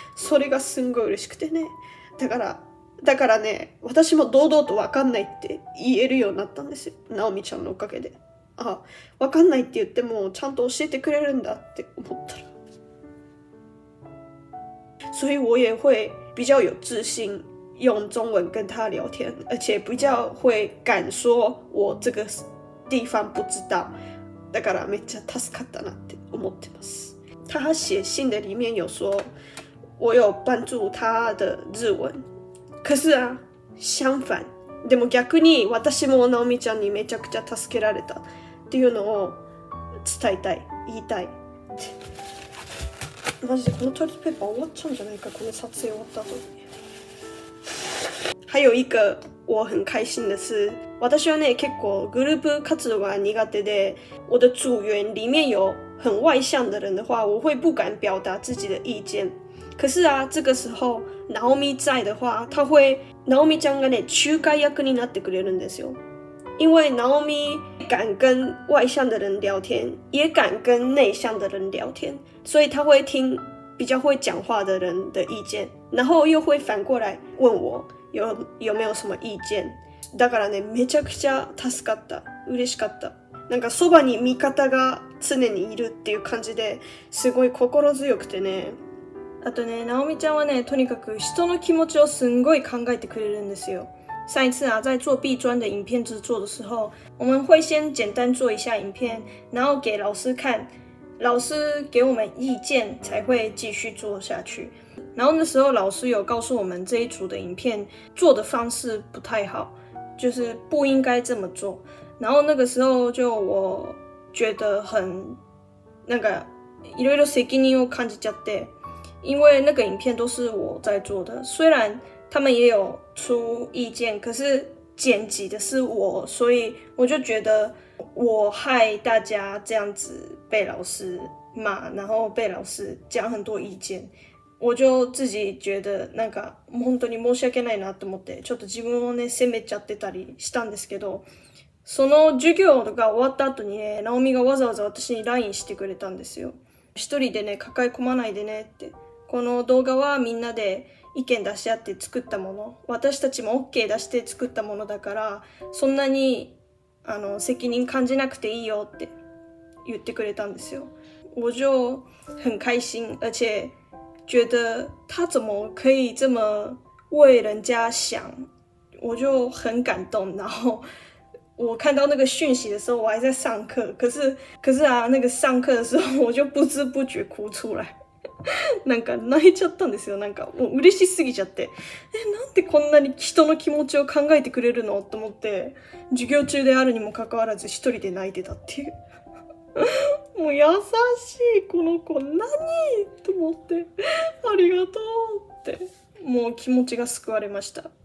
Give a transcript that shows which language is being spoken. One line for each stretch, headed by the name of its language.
Japanese: それがすんごい嬉しくてね。だからね、私も堂々と分かんないって言えるようになったんですよ。直美ちゃんのおかげで。あ、分かんないって言ってもちゃんと教えてくれるんだって思ったら。
Chinese: 所以我也会比较有自信用中文跟他聊天，而且比较会敢说我这个地方不知道。
Japanese: だからめっちゃ助かったなって思ってます。
Chinese: 他写信的里面有说，我有帮助他的日文。可是啊，相反，
Japanese: でも逆に私もナオミちゃんにめちゃくちゃ助けられたっていうのを伝えたい、言いたい。マジでこのトイレットペーパー終わっちゃうんじゃないか、この撮影終わった後に。
Chinese: 还有一个我很开心的是，
Japanese: 私はね結構グループ活動が苦手で、
Chinese: 我的组员里面有很外向的人的话，我会不敢表达自己的意见。可是啊，这个时候ナオミ在的话，他会
Japanese: ナオミちゃんがね仲介役になってくれるんですよ。
Chinese: 因为ナオミ敢跟外向的人聊天，也敢跟内向的人聊天，所以他会听比较会讲话的人的意见，然后又会反过来问我。有没有什么意见？
Japanese: だからね、めちゃくちゃ助かった、嬉しかった。なんかそばに味方が常にいるっていう感じで、すごい心強くてね。あとね、ナオミちゃんはね、とにかく人の気持ちをすんごい考えてくれるんですよ。
Chinese: 上一次啊，在做 B 专的影片制作的时候，我们会先简单做一下影片，然后给老师看，老师给我们意见，才会继续做下去。然后那时候老师有告诉我们这一组的影片做的方式不太好，就是不应该这么做。然后那个时候就我觉得很那个
Japanese: いろいろ責任を感じちゃって，
Chinese: 因为那个影片都是我在做的，虽然他们也有出意见，可是剪辑的是我，所以我就觉得我害大家这样子被老师骂，然后被老师讲很多意见。我就自己觉得
Japanese: なんか本当に申し訳ないなと思って、ちょっと自分をね責めちゃってたりしたんですけど、その授業が終わった後にね、ナオミがわざわざ私に LINE してくれたんですよ。一人でね抱え込まないでねって、この動画はみんなで意見出し合って作ったもの、私たちも OK 出して作ったものだから、そんなに責任感じなくていいよって言ってくれたんですよ。
Chinese: 我就很开心，而且觉得他怎么可以这么为人家想，我就很感动。然后我看到那个讯息的时候，我还在上课，可是啊，那个上课的时候我就不知不觉哭出来，
Japanese: なんか泣いちゃったんですよ。なんかもう嬉しすぎちゃって、なんでこんなに人の気持ちを考えてくれるのと思って、授業中であるにもかかわらず一人で泣いてたっていう。もう優しいこの子何と思って、ありがとうって、もう気持ちが救われました。